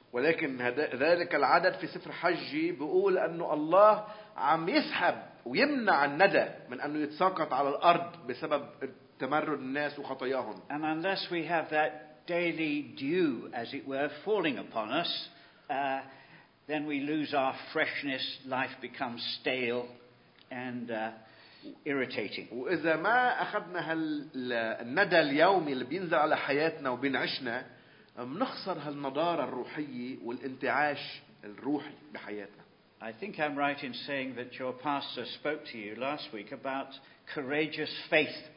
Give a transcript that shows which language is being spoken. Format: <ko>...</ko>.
<ar>ولكن ذلك العدد في سفر حجي بيقول أنه الله عم يسحب ويمنع الندى من أنه يتساقط على الأرض بسبب تمرد الناس وخطاياهم.</ar> <en>And unless we have that daily dew, as it were, falling upon us, then we lose our freshness. Life becomes stale and irritating.</en> <ar>وإذا ما أخذنا هالندى اليومي اللي بينزل على حياتنا وبينعشنا, منخسر هالنضارة الروحية والانتعاش الروحي بحياتنا.</ar> <en>I think I'm right in saying that your pastor spoke to you last week about courageous faith.</en>